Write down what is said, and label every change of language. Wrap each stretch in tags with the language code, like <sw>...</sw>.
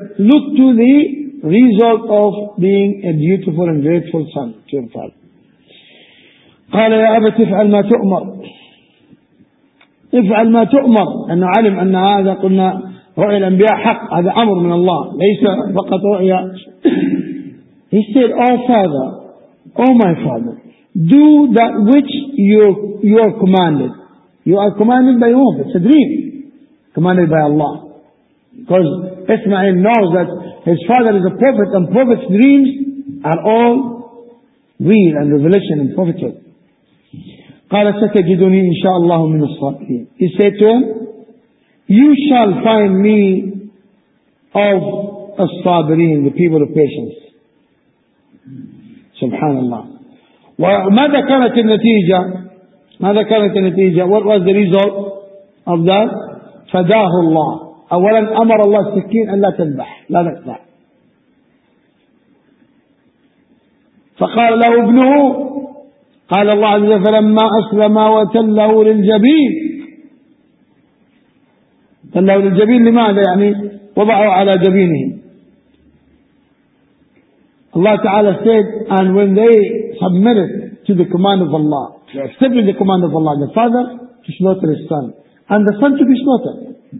<en>Look to the result of being a dutiful and grateful son to your father.</en> <ar>قال يا أبت افعل ما تؤمر افعل ما تؤمر. أنه علم أن هذا قلنا رؤيا الأنبياء حق، هذا أمر من الله ليس فقط رؤيا.</ar> <en>He said, Oh father, Oh my father, do that which you are commanded. You are commanded by whom? It's a dream. Commanded by Allah. Because Ismail knows that his father is a prophet, and prophet's dreams are all real and revelation and prophethood.</en> <ar>قال ستجدني إن شاء الله من الصالحين.</ar> <en>He said to him, You shall find me of الصابرين, the people of patience. سبحان الله.</en> <ar>وماذا كانت النتيجة؟ ماذا كانت النتيجة؟</ar> <en>What was the result of that?</en> <ar>فداه الله. أولا أمر الله السكين أن لا تذبح، لا تذبح. فقال له ابنه، قال الله عز وجل فلما أسلم وتله للجبين. تله للجبين لماذا؟ يعني وضعه على جبينه.</ar> <en>الله تعالى said, and when they submitted to the command of Allah, they accepted the command of Allah, the father to slaughter his son, and the son to be slaughtered.</en>